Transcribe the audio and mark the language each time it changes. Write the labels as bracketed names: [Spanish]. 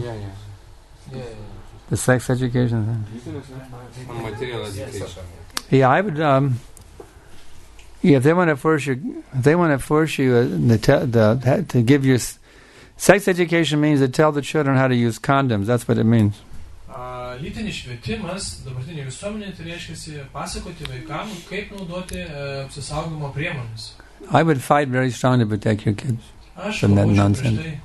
[English] Yeah. The sex education thing. On material education. Yeah, I would if they want to force you, if they want to force you to give you sex education means to tell the children how to use condoms. That's what it means. [Lithuanian] Lytinis švietimas dabartinė visuomenė reiškiasi pasakoti vaikam kaip naudoti apsisaugimo priemonės. [English] I would fight very strongly to protect your kids from that nonsense.